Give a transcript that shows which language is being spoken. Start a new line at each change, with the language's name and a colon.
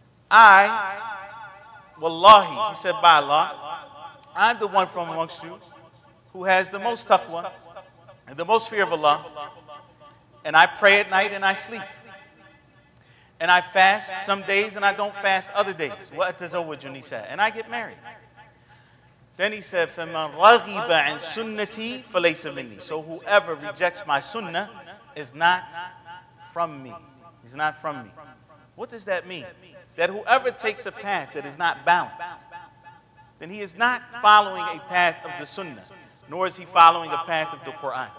English: I, wallahi, he said, by Allah, I'm the one from amongst you who has the most taqwa and the most fear of Allah, and I pray at night and I sleep. And I fast some days and I don't fast other days. What does Owajun he said? And I get married. Then he said,
Arabic: فَمَنْ رَغِبَ عَنْ سُنَّتِي فَلَيْسَ مِنِّي.
English: So whoever rejects my sunnah is not from me. He's not from me. What does that mean? That whoever takes a path that is not balanced, then he is not following a path of the sunnah, nor is he following a path of the Quran.